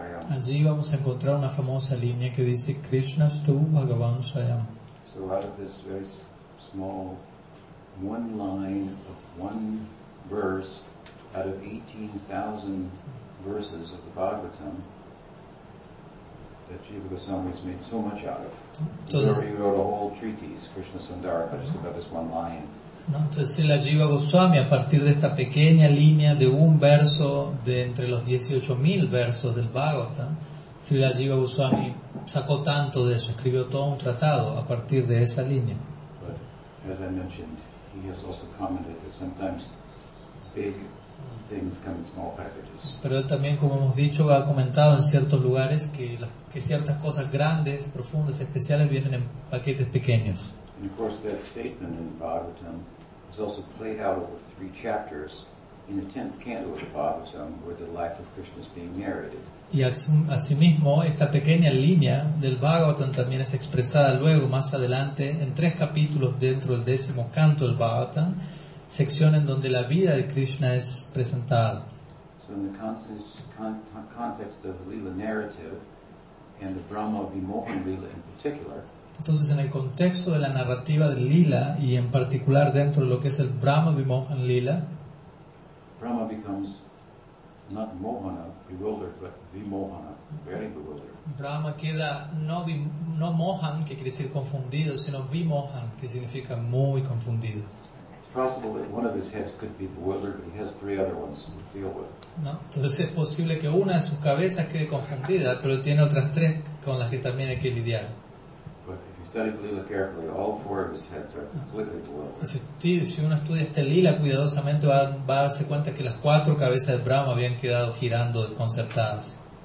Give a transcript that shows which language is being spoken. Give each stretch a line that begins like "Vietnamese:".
Spanish: Allí vamos a encontrar una famosa línea que dice
Sanskrit: Krishna stu Bhagavan Swayam.
English: So out of this very small one line of one verse out of 18,000 verses of the Bhagavatam that Jiva Goswami has made so much out of. Entonces, he wrote a whole treatise, Krishna Sandarbha, just about this one line.
Spanish: No, entonces la Jiva Goswami a partir de esta pequeña línea de un verso de entre los 18,000 versos del Bhagavatam, la Jiva Goswami sacó tanto de eso, escribió todo un tratado a partir de esa línea.
English: But, as I mentioned, he has also commented that sometimes big things come in small packages.
Spanish: Pero él también, como hemos dicho, ha comentado en ciertos lugares que, que ciertas cosas grandes, profundas, especiales vienen en paquetes pequeños.
English: And of course, that statement in Bhagavatam is also played out over three chapters in the tenth canto of the Bhagavatam, where the life of Krishna is being narrated.
Spanish: Y asimismo, esta pequeña línea del Bhagavatam también es expresada luego, más adelante, en tres capítulos dentro del décimo canto del Bhagavatam, sección en donde la vida de Krishna es presentada.
English: So in the context of Lila narrative, and the Brahma Vimohan Lila in particular,
Spanish: entonces en el contexto de la narrativa de Lila, y en particular dentro de lo que es el Brahma Vimohan Lila,
English: Brahma becomes not Mohana, bewildered, but Vimohana, very bewildered.
Spanish: Brahma queda no Mohan, que quiere decir confundido, sino Vimohan, que significa muy confundido.
English: It's possible that one of his heads could be bewildered, but he has three other ones to deal with.
Spanish: No, entonces es posible que una de sus cabezas quede confundida, pero tiene otras tres con las que también hay que lidiar.
English: Study the Lila carefully, all four of his heads are completely bewildered.
Spanish: Si uno estudia este Lila cuidadosamente, va a darse cuenta que las cuatro cabezas de Brahma habían quedado girando desconcertadas.